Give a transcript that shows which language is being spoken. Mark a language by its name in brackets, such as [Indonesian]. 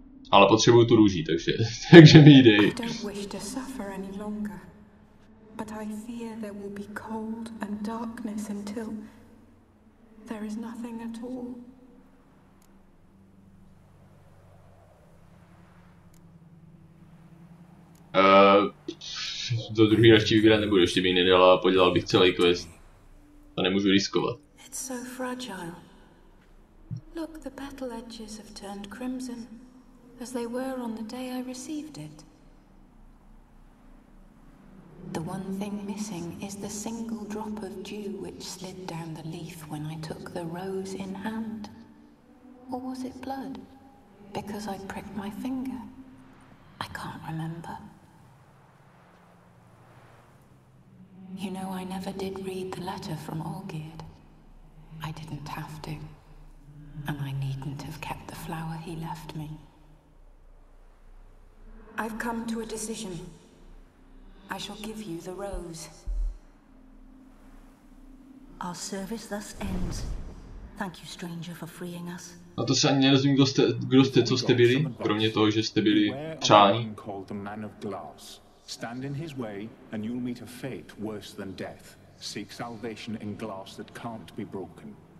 [Czech] Ale potřebuju tu růži, takže mi jde. [English] I don't wish to suffer any longer. But I fear there will be cold and darkness until there is nothing at all. [Czech] Do druhé radši vybírat nebudu, ještě bych nedala a podělal bych celý quest. To nemůžu riskovat. [English] It's so fragile. Look, the battle edges have turned crimson, as they were on the day I received it. The one thing missing is the single drop of dew which slid down the leaf when I took the rose in hand. Or was it blood? Because I pricked my finger. I can't remember. You know, I never did read the letter from Olgierd. I didn't have to. And I needn't have kept the flower he left me. I've come to a decision. I shall give you the rose. Our service thus ends. Thank you, stranger, for freeing us. [Czech] A to se ani nerozumím, kdo jste, co jste byli, kromě toho, že jste byli přání. [English] Called the man of glass. Stand in his way, and you'll meet a fate worse than death. Seek salvation in glass that can't be broken.